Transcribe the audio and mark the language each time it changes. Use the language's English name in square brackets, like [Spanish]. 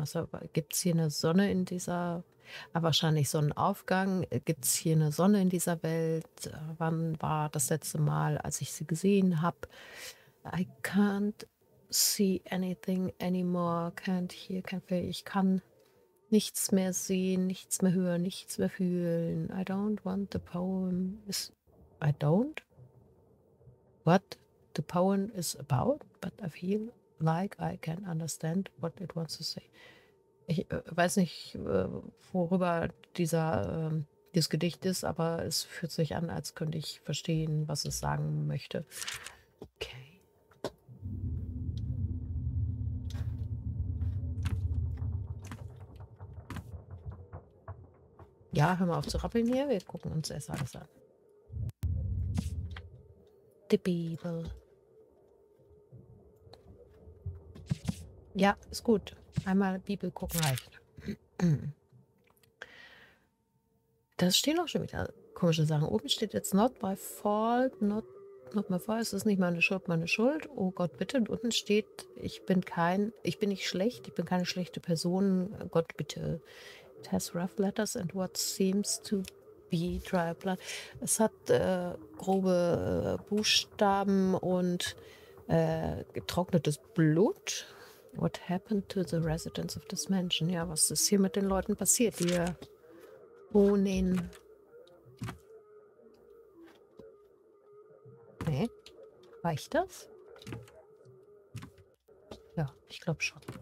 [German] Also, gibt's hier eine Sonne in dieser, wahrscheinlich Sonnenaufgang, gibt's hier eine Sonne in dieser Welt? Wann war das letzte Mal, als ich sie gesehen habe? [English] I can't see anything anymore, can't hear, can't feel. [German] Ich kann nichts mehr sehen, nichts mehr hören, nichts mehr fühlen. [English] I don't want the poem. What the poem is about, but I feel like I can understand what it wants to say. [German] Ich weiß nicht, worüber dieses Gedicht ist, aber es fühlt sich an, als könnte ich verstehen, was es sagen möchte. Okay. Ja, hör mal auf zu rappeln hier, wir gucken uns erst alles an. [English] The Bibel. [German] Ja, ist gut. Einmal Bibel gucken reicht. Da stehen auch schon wieder komische Sachen. Oben steht jetzt [English] not my fault, not my fault. [German] Es ist nicht meine Schuld, meine Schuld. Oh Gott, bitte. Und unten steht, ich bin nicht schlecht, ich bin keine schlechte Person. Gott, bitte. [English] It has rough letters and what seems to be dry blood. [German] Es hat grobe Buchstaben und getrocknetes Blut. [English] What happened to the residents of this mansion? [German] Ja, was ist hier mit den Leuten passiert, die hier wohnen? Nee, reicht das? Ja, ich glaube schon.